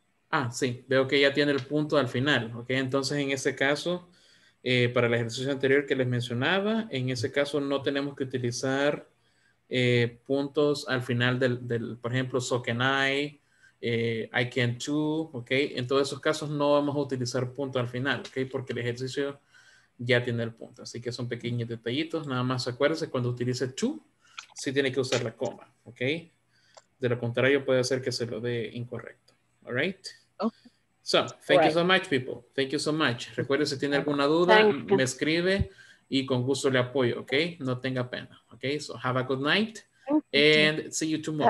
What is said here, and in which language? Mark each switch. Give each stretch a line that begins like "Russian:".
Spanish: Ah, sí, veo que ya tiene el punto al final, ok. Entonces en ese caso, para el ejercicio anterior que les mencionaba, en ese caso no tenemos que utilizar puntos al final del por ejemplo,
English: so can I, I can too,
Spanish: ok. En todos esos casos no vamos a utilizar punto al final, ok, porque el ejercicio ya tiene el punto, así que son pequeños detallitos, nada más acuérdense, cuando utilice to, sí tiene que usar la coma, ok, de lo contrario puede hacer que se lo dé incorrecto.
English: Alright, okay. So, thank All you right. so much people, thank you so much.
Spanish: Recuerde, si tiene alguna duda, me escribe y con gusto le apoyo, ok, no tenga pena.
English: Okay, so have a good night and see you tomorrow.